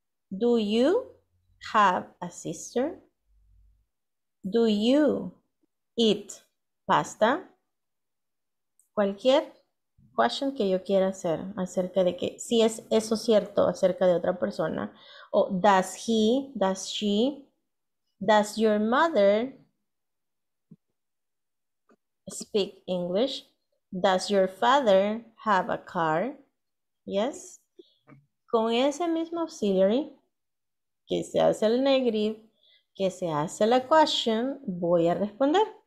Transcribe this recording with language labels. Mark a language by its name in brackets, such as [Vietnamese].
[English] Do you have a sister? Do you eat pasta? [Spanish] Cualquier question que yo quiera hacer acerca de que si es eso cierto acerca de otra persona. [English] O does he, does she, does your mother speak English? Does your father have a car? Yes. [Spanish] Con ese mismo auxiliary que se hace el negative, que se hace la question, voy a responder.